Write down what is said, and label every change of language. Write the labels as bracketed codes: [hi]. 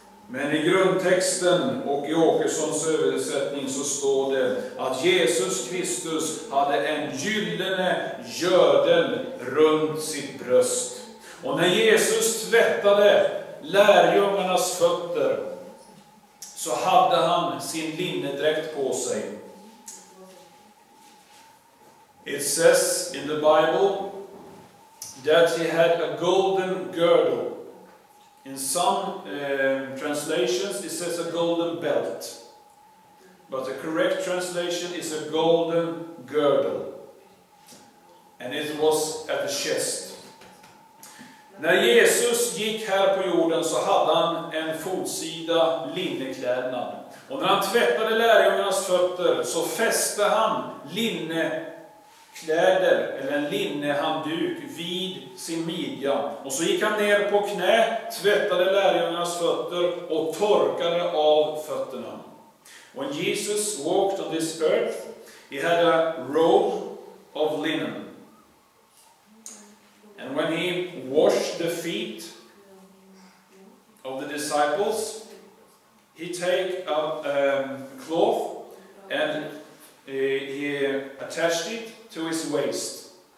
[sv] Men i grundtexten och i Åkessons översättning så står det att Jesus Kristus hade en gyllene gördel runt sitt bröst. Och när Jesus tvättade lärjungarnas fötter så hade han sin linnedräkt på sig. [en] It says in the Bible that he had a golden girdle. In some translations it says a golden belt. But the correct translation is a golden girdle. And it was at the chest. [sv] När Jesus gick här på jorden så hade han en fotsida linneklädnad. Och när han tvättade lärjungarnas fötter så fäste han linnekläder eller en linnehandduk vid sin midja. Och så gick han ner på knä, tvättade lärjungarnas fötter och torkade av fötterna. [en] When Jesus walked on this earth, he had a robe of linen. And when he washed the feet of the disciples, he take a cloth and he attached it to his waist.